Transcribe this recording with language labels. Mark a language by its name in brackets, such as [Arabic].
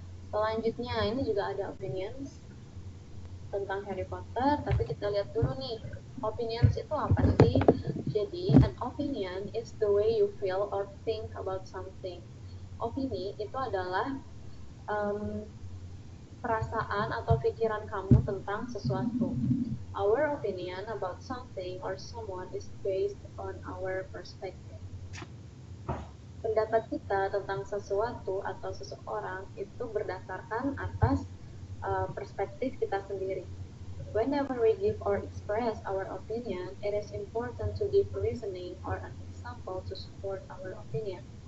[Indonesian] Selanjutnya, ini juga ada opinions tentang Harry Potter, tapi kita lihat dulu nih, opinions itu apa sih? [English] Jadi, an opinion is the way you feel or think about something. [Indonesian] Opini itu adalah perasaan atau pikiran kamu tentang sesuatu. [English] Our opinion about something or someone is based on our perspective. [Indonesian] Pendapat kita tentang sesuatu atau seseorang itu berdasarkan atas perspektif kita sendiri. [English] Whenever we give or express our opinion, it is important to give reasoning or an example to support our opinion.